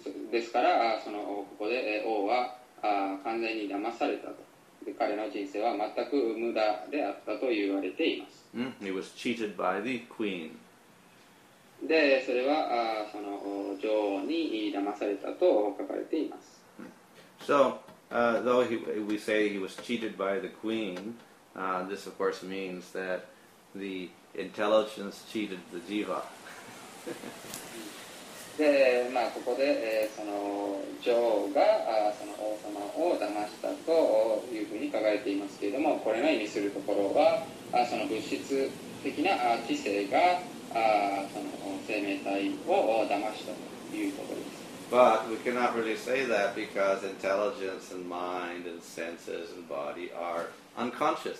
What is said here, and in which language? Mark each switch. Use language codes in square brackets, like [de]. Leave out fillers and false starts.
[ja] ですから、そのここで王は完全に騙されたと。彼の人生は全く無駄であったと言われています。 [en] He was cheated by the queen. [ja] で、それはその女王に騙されたと書かれています。 [en] So, though we say he was cheated by the queen, this of course means that the intelligence cheated the jiva. [ja] で、まあ、ここで、その女王がその王様を騙したというふうに書かれていますけれども、これの意味するところは、その物質的な知性がその生命体を騙したということです。 [en] But we cannot really say that because intelligence and mind and senses and body are unconscious.